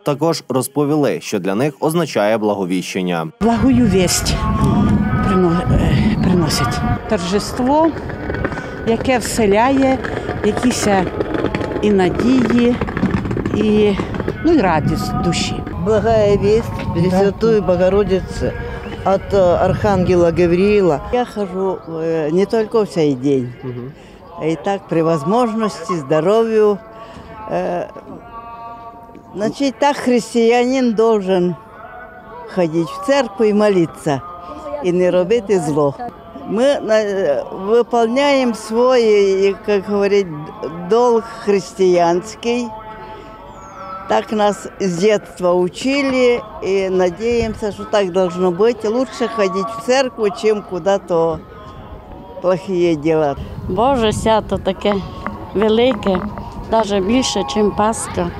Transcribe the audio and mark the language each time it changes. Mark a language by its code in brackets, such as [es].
[uk] Також розповіли, що для них означає Благовіщення. Благую вість приносить. Торжество, яке вселяє якісь і надії, і радість душі. [ru] Благая весть Пресвятую Богородицы от Архангела Гавриила. Я хожу не только всякий день, а и так при возможности, здоровью. Значит, так христианин должен ходить в церковь и молиться, и [uk] не робити зло. [ru] Мы выполняем свой, как говорить, долг христианский. [uk] Так нас з дитинства учили і надіємося, що так повинно бути. Лучше ходити в церкву, ніж куди-то плохі діла. Боже, свято таке велике, навіть більше, ніж Пасха.